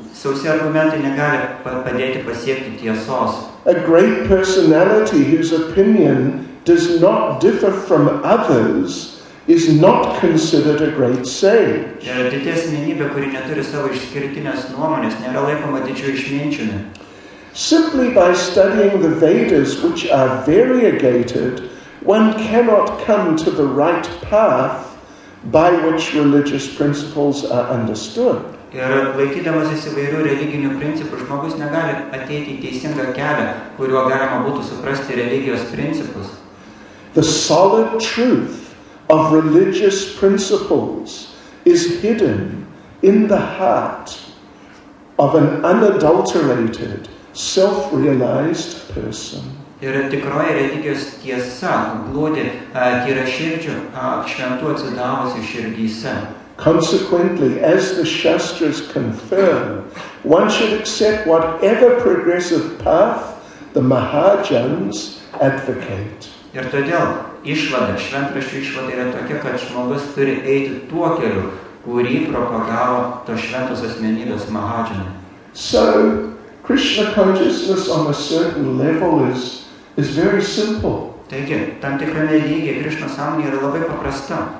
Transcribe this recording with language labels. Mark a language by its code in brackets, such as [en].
[lt] Sausi argumentai negali padėti pasiekti tiesos. [en] A great personality whose opinion does not differ from others is not considered a great sage. [lt] Yra didi asmenybė, kuri neturi savo išskirtinės nuomonės, nėra laikoma didžiu išminčiumi. [en] Simply by studying the Vedas, which are variegated, one cannot come to the right path by which religious principles are understood. [lt] Yra laikydamasis įvairių religinių principų, žmogus negali ateiti į teisingą kelią, kuriuo galima būtų suprasti religijos principus. [en] The solid truth of religious principles is hidden in the heart of an unadulterated, self-realized person. [lt] Ir tikroji religijos tiesa glūdi tyraširdžių, šventų atsidavusių širdyse. [en] Consequently, as the Shastras confirm, one should accept whatever progressive path the Mahajans advocate. [lt] Ir todėl išvada, šventraščių išvada yra tokia, kad žmogus turi eiti tuo keliu, kurį propagavo tos šventos asmenybės Mahajana. [en] So, Krishna consciousness on a certain level is very simple. [lt] Taigi, tam tikrame lygiai Krišna sąmonė yra labai paprasta.